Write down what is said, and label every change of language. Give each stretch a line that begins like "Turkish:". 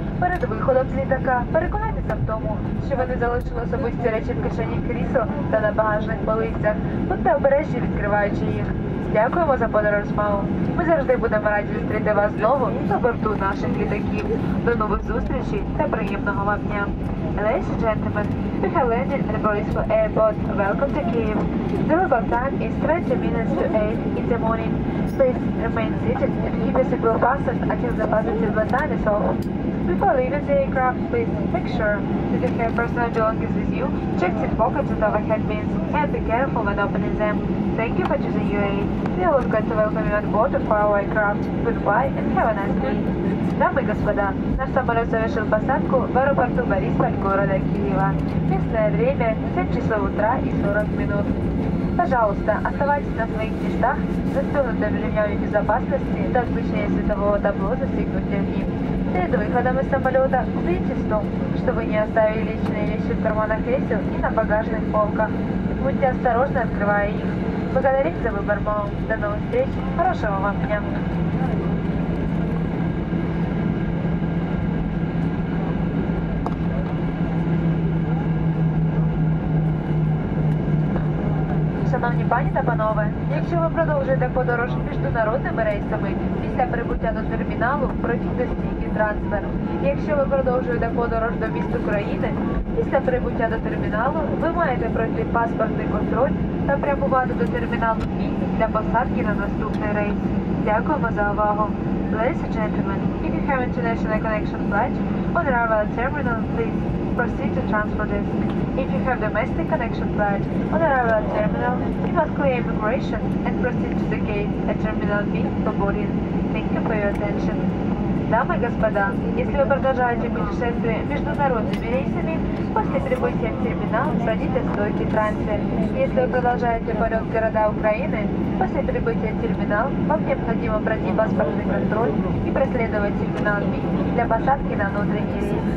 Ukrainian: Перед виходом з літака переконайтеся в тому, що ви не залишили особисті речі в кишені крісла та на багажних полицях. Будьте обережні, відкриваючи їх. Дякуємо за подорож з мамою. Ми завжди будемо раді зустріти вас знову на борту наших літаків. До нових зустрічей та приємного вам дня.
English: Ladies and gentlemen, we have landed at Borispol Airport. Welcome to Kyiv. The local time is 20 minutes to 8 in the morning. Please remain seated and keep your seatbelt fastened until the passenger button is off. Before leaving the aircraft, please make sure that you have personal belongings with you, check seat pockets and overhead bins, and be careful when opening them. Thank you for choosing UAE. We are looking to welcome you on board for our aircraft. Goodbye and have a nice day.
Russian: Дамы и господа, наш самолет совершил посадку в аэропорту Бориспиль города Киева. Местное время 7 часов утра и 40 минут. Пожалуйста, оставайтесь на своих местах, застегнутыми ремнями безопасности до отключения светового табло застегнуть ремни. Перед выходом из самолета убедитесь в том, что вы не оставили личные вещи в карманах кресел и на багажных полках. Будьте осторожны, открывая их. Благодарим за выбор, мол. До новых встреч. Хорошего вам дня.
Ukrainian: Шановні пані та панове, якщо ви продовжуєте подорож міжнародними рейсами, після прибуття до терміналу пройдіть стійкий трансфер. Якщо ви продовжуєте подорож до міст України, після прибуття до терміналу ви маєте пройти паспортний контроль та прямувати до терміналу B для посадки на наступний рейс. Дякуємо за увагу.
English: Ladies and gentlemen, if you have international connection flight on arrival terminal, please proceed to transfer desk. If you have domestic connection flight on arrival terminal, you must clear immigration and proceed to the gate at terminal B for boarding. Thank you for your attention.
Russian: Дамы и господа, если вы продолжаете путешествие международными рейсами, после прибытия в терминал пройдите стойкий трансфер. Если вы продолжаете полет в города Украины, после прибытия в терминал вам необходимо пройти паспортный контроль и проследовать терминал B для посадки на внутренний рейс.